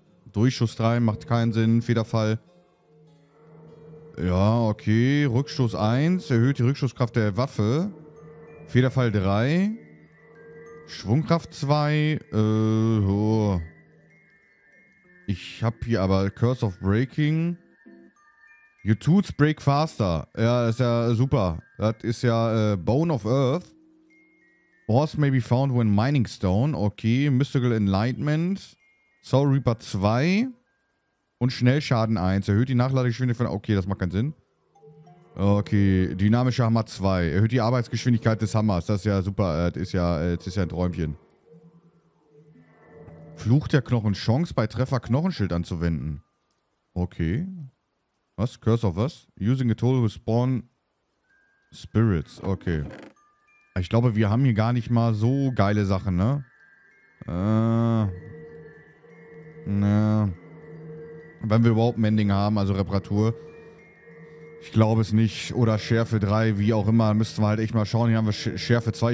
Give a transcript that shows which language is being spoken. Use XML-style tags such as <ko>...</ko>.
<de>Durchschuss 3, macht keinen Sinn, Federfall. Ja, okay, Rückschuss 1, erhöht die Rückschusskraft der Waffe. Federfall 3, Schwungkraft 2, oh. Ich habe hier aber Curse of Breaking.</de> <en>Your Tools Break Faster,</en> <de>ja, das ist ja super. Das ist ja Bone of Earth.</de> <en>Ores may be found when mining stone.</en> <de>Okay, Mystical Enlightenment. Soul Reaper 2. Und Schnellschaden 1. Erhöht die Nachladegeschwindigkeit von... Okay, das macht keinen Sinn. Okay, dynamischer Hammer 2. Erhöht die Arbeitsgeschwindigkeit des Hammers. Das ist ja super. Das ist ja ein Träumchen. Fluch der Knochen. Chance bei Treffer Knochenschild anzuwenden. Okay. Was? Curse of was?</de> <en>Using a total to spawn spirits. Okay.</en> <de>Ich glaube, wir haben hier gar nicht mal so geile Sachen, ne? Na. Wenn wir überhaupt Mending haben, also Reparatur. Ich glaube es nicht. Oder Schärfe 3, wie auch immer. Müssten wir halt echt mal schauen. Hier haben wir Schärfe 2.</de>